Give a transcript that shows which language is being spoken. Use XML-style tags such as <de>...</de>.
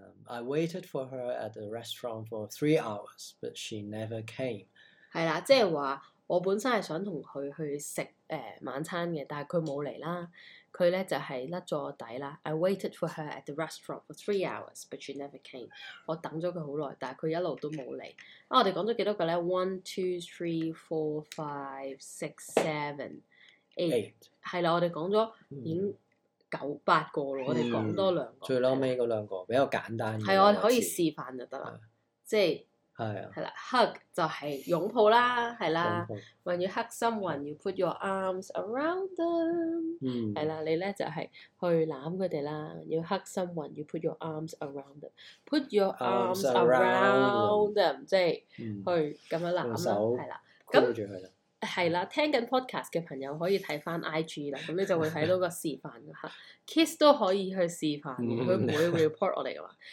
<en>I waited for her at the restaurant for 3 hours, but she never came.</en> <yue>係啦，即係話我本身係想同佢去食晚餐嘅，但係佢冇嚟啦。佢咧就係甩咗我底啦。</yue> <en>I waited for her at the restaurant for 3 hours, but she never came.</en> <yue>我等咗佢好耐，但係佢一路都冇嚟。啊，我哋講咗幾多個咧 ？1, 2, 3, 4, 5, 6, 7, 8。係啦，我哋講咗已經。九八個咯，我哋講多兩個。最撈尾嗰兩個比較簡單嘅。係，我可以示範就得啦。即係。係啊。Hug 就係擁抱啦，係啦。</yue> <en>When you hug someone, you put your arms around them。</en> <yue>係啦，你咧就係去攬佢哋啦。</yue> <en>You hug someone, you put your arms around them。 Put your arms around them，</en> <yue>即係去咁樣攬啦，係啦。咁。住佢啦。係啦，聽緊 podcast 嘅朋友可以睇翻 IG 啦，咁你就會睇到個示範嚇。 kiss 都可以去示範嘅，佢唔會 report 我哋嘅話。</yue>